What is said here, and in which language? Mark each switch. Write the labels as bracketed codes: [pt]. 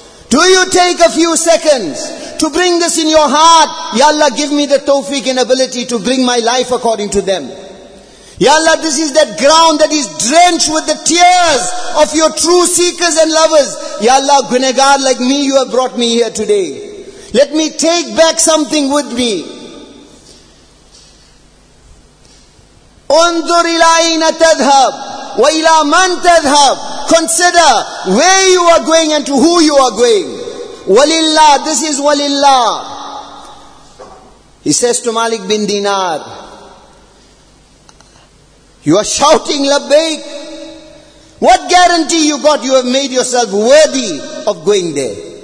[en] Do you take a few seconds to bring this in your heart? Ya Allah, give me the tawfiq and ability to bring my life according to them. Ya Allah, this is that ground that is drenched with the tears of your true seekers and lovers. Ya Allah, gunagar like me, you have brought me here today. Let me take back something with me. [ar] انظر الى اين تذهب والى من تذهب. [en] Consider where you are going and to who you are going. Walillah, this is Walillah. He says to Malik bin Dinar, you are shouting Labbaik. What guarantee you got you have made yourself worthy of going there?